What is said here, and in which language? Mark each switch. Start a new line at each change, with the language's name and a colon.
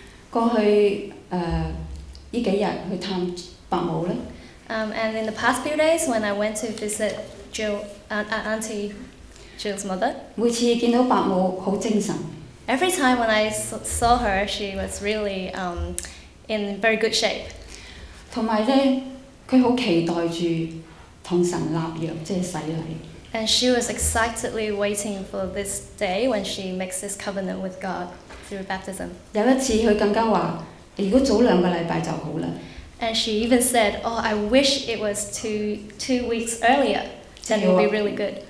Cantonese: 過去依幾日去探伯母咧。
English: And in the past few days, when I went to visit Jill, Auntie Jill's mother.
Cantonese: 每次見到伯母好精神。
English: Every time when I saw her, she was really in very good shape.
Cantonese: 同埋咧，佢好期待住同神立約，即係洗禮。
English: And she was excitedly waiting for this day when she makes this covenant with God through baptism.
Cantonese: 有一次，佢更加話：如果早兩個禮拜就好啦。
English: And she even said, "Oh, I wish it was two weeks earlier. Then it would be really good."